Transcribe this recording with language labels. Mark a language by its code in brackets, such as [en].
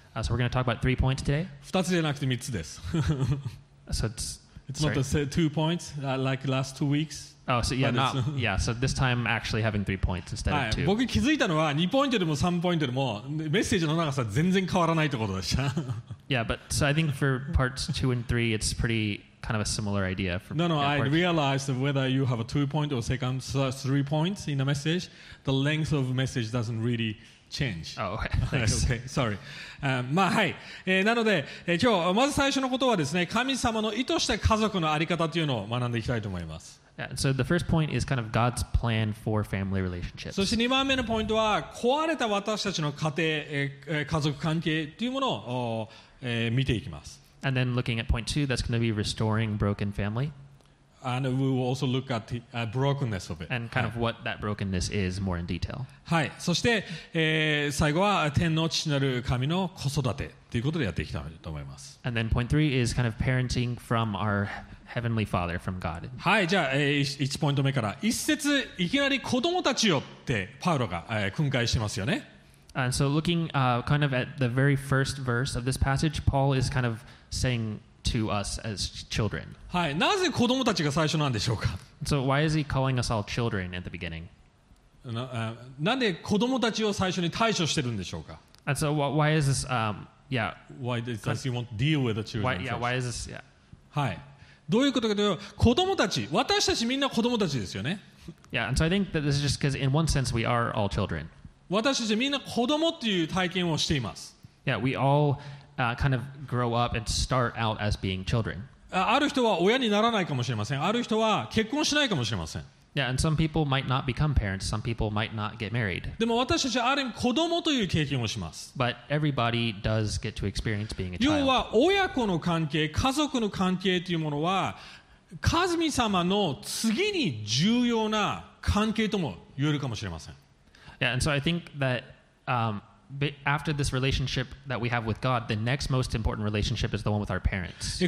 [en] So we're going to talk about 3 points today. [ja] 2つじゃなくて3つです。 [en] So it's... It's not the two points like last 2 weeks. Oh, so yeah, not, yeah. So this time actually having 3 points instead of two. [ja] 僕気づいたのは2ポイントでも3ポイントでもメッセージの長さ全然変わらないってことでした。 [en] Yeah, but so I think for parts 2 and 3, it's pretty kind of a similar idea. I realized that whether you have a 2 point or second, so 3 points in a message, the length of message doesn't really. Change. Oh, okay. Okay. Sorry. [ja] まあはい。なので、今日まず最初のことはですね、神様の意図した家族のあり方というのを学んでいきたいと思います。 [en] Yeah, so the first point is kind of God's plan for family relationships. [ja] そして2番目のポイントは、壊れた私たちの家庭、家族関係というものを、見ていきます。 [en] And then looking at point 2, that's going to be restoring broken family. And we will also look at the brokenness of it. And kind of what that brokenness is more in detail. [ja] はい。そして、最後は天の父なる神の子育てということでやっていきたいと思います。 [en] And then point three is kind of parenting from our heavenly father, from God. [ja] はい。じゃあ、1ポイント目から。一節、いきなり子供たちよってパウロが、訓戒してますよね。 [en] And so looking, kind of at the very first verse of this passage, Paul is kind of saying,To us as children. [ja] はい、なぜ子供たちが最初なんでしょうか。 [en] So why is he calling us all children at the beginning? [ja] なんで子供たちを最初に対処してるんでしょうか。 [en] And so why is this? Yeah. Why does he want to deal with the children? Why, yeah. Why is this? Yeah. [ja] はい。どういうことかというと、子供たち、私たちみんな子供たちですよね。 [en] Yeah. And so I think that this is just because in one sense we are all children. [ja] 私たちみんな子供っていう体験をしています。 [en] Yeah. We all. Kind of grow up and start out as being children. [ja] ある人は親にならないかもしれません。ある人は結婚しないかもしれません。 [en] Yeah, and some people might not become parents. Some people might not get married. [ja] でも私たちはある意味子供という経験をします。 [en] But everybody does get to experience being a child. [ja] 要は親子の関係、家族の関係というものは、神様の次に重要な関係とも言えるかもしれません。 [en] Yeah, and so I think that、after this relationship that we have with God, the next most important relationship is the one with our parents.